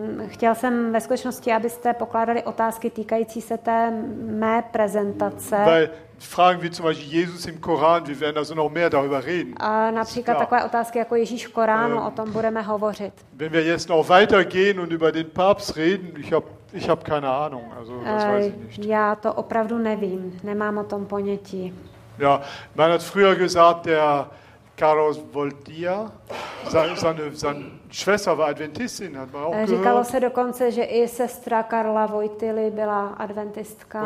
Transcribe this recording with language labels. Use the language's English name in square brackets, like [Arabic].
[Czech] Chtěl jsem ve skutečnosti, abyste pokládali otázky týkající se té mé prezentace. [German] Weil Fragen wie zum Beispiel Jesus im Koran, wir werden also noch mehr darüber reden. [Czech] Například takové otázky jako Ježíš v Koránu, o tom budeme hovořit. [German] Wenn wir jetzt noch weitergehen und über den Papst reden, ich hab keine Ahnung, also das weiß ich nicht. [Czech] Já to opravdu nevím, nemám o tom ponětí. [German] Ja, man hat früher gesagt, der Carlos Voltia, seine Schwester war Adventistin, hat man auch gehört. [Czech] Říkalo se dokonce, že i sestra Karla Voitily byla adventistka.